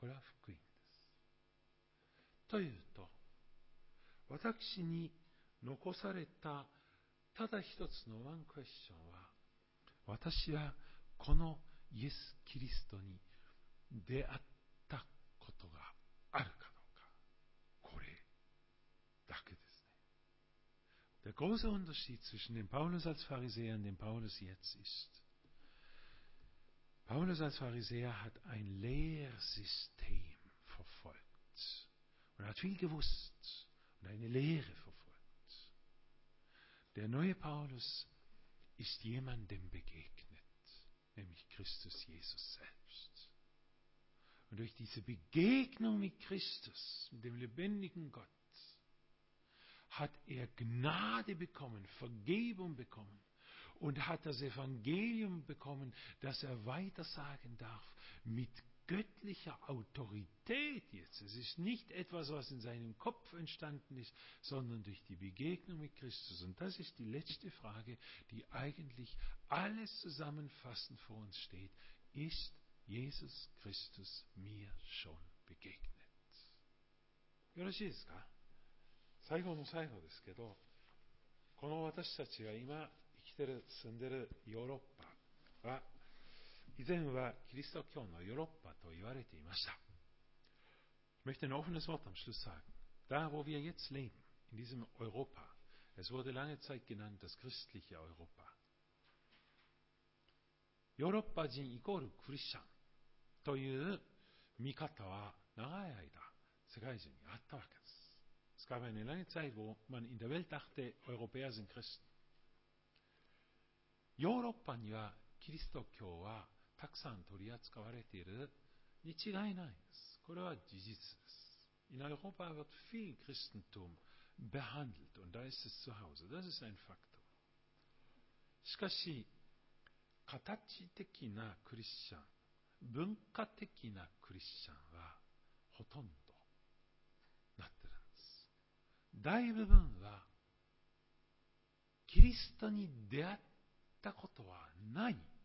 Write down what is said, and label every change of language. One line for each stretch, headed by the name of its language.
Japanese: これは福音です。というと、私に残されたただ一つのワンクエスチョンは、私はこのイエス・キリストに出会ったことがあるかどうか、これだけです。
German: Der große Unterschied zwischen dem Paulus als Pharisäer und dem Paulus jetzt ist, Paulus als Pharisäer hat ein Lehrsystem verfolgt und hat viel gewusst und eine Lehre verfolgt. Der neue Paulus ist jemandem begegnet, nämlich Christus Jesus selbst. Und durch diese Begegnung mit Christus, mit dem lebendigen Gott,hat er Gnade bekommen, Vergebung bekommen und hat das Evangelium bekommen, dass er weitersagen darf mit göttlicher Autorität jetzt. Es ist nicht etwas, was in seinem Kopf entstanden ist, sondern durch die Begegnung mit Christus. Und das ist die letzte Frage, die eigentlich alles zusammenfassend vor uns steht. Ist Jesus Christus mir schon begegnet?
Japanese: よろしいですか? 最後の最後ですけど、この私たちが今生きてる住んでるヨーロッパは、以前はキリスト教のヨーロッパと言われていました。
German: Ich möchte ein offenes Wort am Schluss sagen. Da, wo wir jetzt leben, in diesem Europa, es wurde lange Zeit genannt das christliche Europa.
Japanese: ヨーロッパ人イコールクリスチャンという見方は長い間世界中にあったわけです。
German: Es gab eine lange Zeit, wo man in der Welt dachte, Europäer sind Christen.
Japanese: ヨーロッパにはキリスト教はたくさん取り扱われているに違いないです。これは事実です。
German: In Europa wird viel Christentum behandelt und da ist es zu Hause. Das ist ein Faktum.
Japanese: しかし、形的なクリスチャン、文化的なクリスチャンはほとんどなってるんです。大部分はキリストに出会ったことはない。